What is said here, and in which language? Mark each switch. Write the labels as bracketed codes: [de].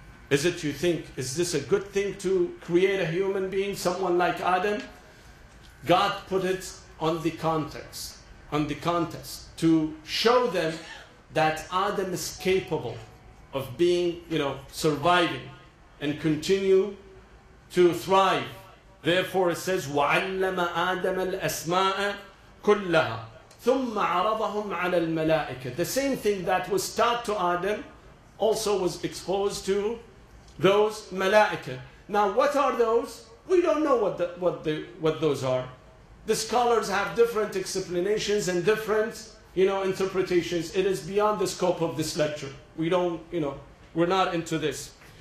[en] Is it you think, is this a good thing to create a human being, someone like Adam? God put it on the context, on the contest, to show them that Adam is capable of being, you know, surviving and continue to thrive. Therefore, it says, [ar] وَعَلَّمَ آدَمَ الْأَسْمَاءَ كُلَّهَا ثُمَّ عَرَضَهُمْ عَلَى الْمَلَائِكَةِ. [en] The same thing that was taught to Adam also was exposed to those malaika. Now, what are those? We don't know what those are. The scholars have different explanations and different, you know, interpretations. It is beyond the scope of this lecture. We don't, you know, we're not into this.